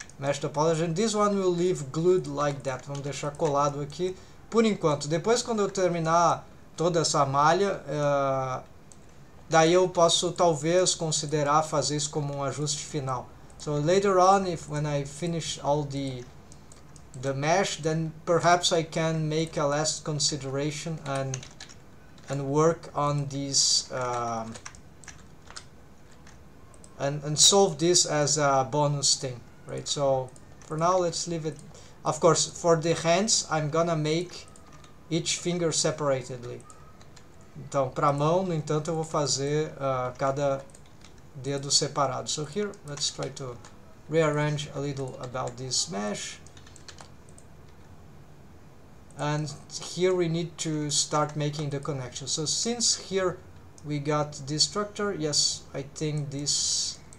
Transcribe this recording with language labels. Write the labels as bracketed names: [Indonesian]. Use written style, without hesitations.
[English] Mesh topology, and this one will leave glued like that. [Portuguese] Vamos deixar colado aqui por enquanto. Depois, quando eu terminar toda essa malha, daí eu posso talvez considerar fazer isso como um ajuste final. [English] So later on, if when I finish all the mesh, then perhaps I can make a last consideration and work on this and solve this as a bonus thing. Right, so for now let's leave it. Of course, for the hands, I'm gonna make each finger separately. [Portuguese] Então, para mão, no entanto, eu vou fazer cada dedo separado. [English] So here, let's try to rearrange a little about this mesh. And here we need to start making the connection. So since here we got this structure, yes, I think this...